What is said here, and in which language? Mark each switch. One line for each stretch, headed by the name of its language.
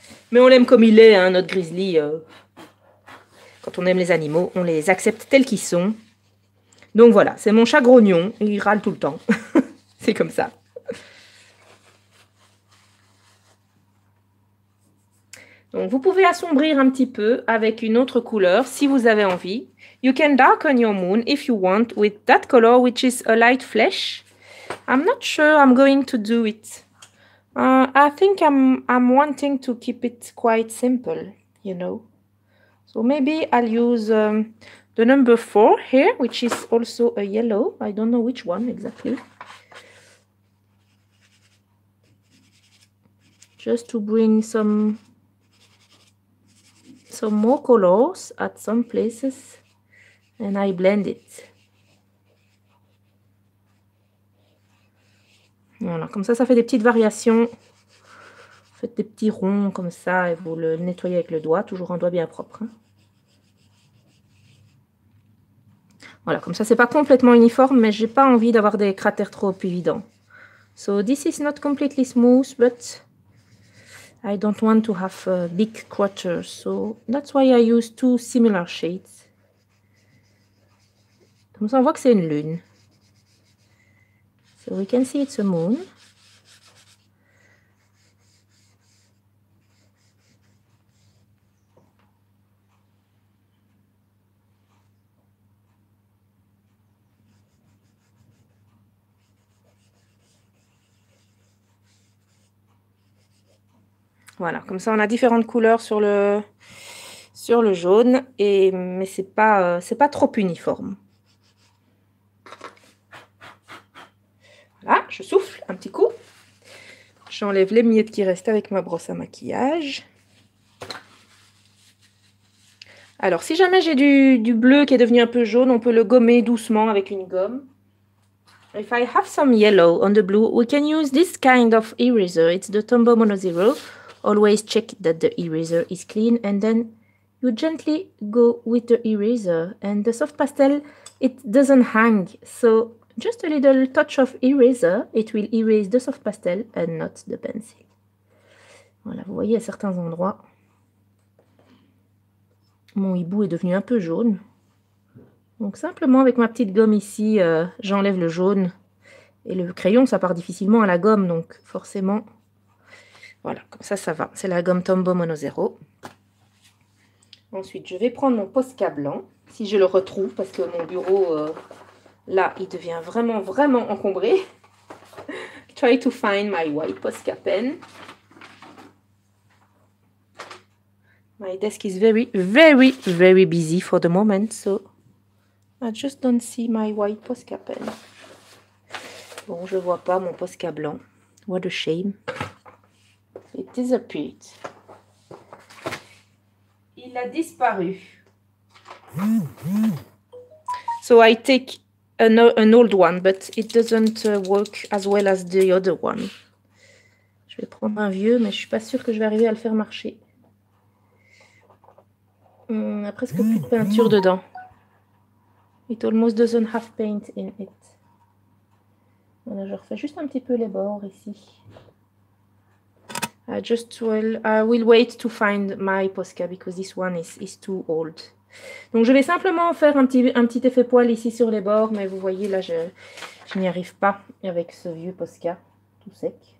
French: Mais on l'aime comme il est, hein, notre Grizzly. Quand on aime les animaux, on les accepte tels qu'ils sont. Donc voilà, c'est mon chat grognon. Il râle tout le temps. C'est comme ça. Donc vous pouvez assombrir un petit peu avec une autre couleur si vous avez envie.
English: You can darken your moon if you want with that color which is a light flesh. I'm not sure I'm going to do it. I think I'm wanting to keep it quite simple, you know. So maybe I'll use the number 4 here, which is also a yellow. I don't know which one exactly. Just to bring some more colors at some places and I blend it.
French: Voilà, comme ça, ça fait des petites variations. Faites des petits ronds comme ça et vous le nettoyez avec le doigt, toujours un doigt bien propre. Hein. Voilà, comme ça, c'est pas complètement uniforme, mais j'ai pas envie d'avoir des cratères trop évidents.
English: So, this is not completely smooth, but I don't want to have big quarters. So, that's why I use two similar shades.
French: Comme ça, on voit que c'est une lune.
English: So, we can see it's a moon.
French: Voilà, comme ça on a différentes couleurs sur le jaune, mais c'est pas trop uniforme. Voilà, je souffle un petit coup. J'enlève les miettes qui restent avec ma brosse à maquillage. Alors, si jamais j'ai du bleu qui est devenu un peu jaune, on peut le gommer doucement avec une gomme.
English: If I have some yellow on the blue, we can use this kind of eraser. It's the Tombow Mono Zero. Always check that the eraser is clean and then you gently go with the eraser. And the soft pastel, it doesn't hang. So, just a little touch of eraser, it will erase the soft pastel and not the pencil.
French: Voilà, vous voyez à certains endroits, mon hibou est devenu un peu jaune. Donc simplement avec ma petite gomme ici, j'enlève le jaune. Et le crayon, ça part difficilement à la gomme, donc forcément. Voilà, comme ça, ça va. C'est la gomme Tombow Mono Zero. Ensuite, je vais prendre mon Posca blanc, si je le retrouve, parce que mon bureau, là, il devient vraiment, vraiment encombré.
English: Try to find my white Posca pen. My desk is very, very, very busy for the moment, so I just don't see my white Posca pen.
French: Bon, je vois pas mon Posca blanc.
English: What a shame. It disappeared.
French: Il a disparu.
English: So I take an old one, but it doesn't work as well as the other one.
French: Je vais prendre un vieux, mais je suis pas sûre que je vais arriver à le faire marcher. On a presque plus de peinture dedans.
English: It almost doesn't have paint in it.
French: Voilà, je refais juste un petit peu les bords ici.
English: I will wait to find my Posca because this one is too old.
French: Donc je vais simplement faire un petit effet poil ici sur les bords, mais vous voyez là je n'y arrive pas avec ce vieux Posca tout sec.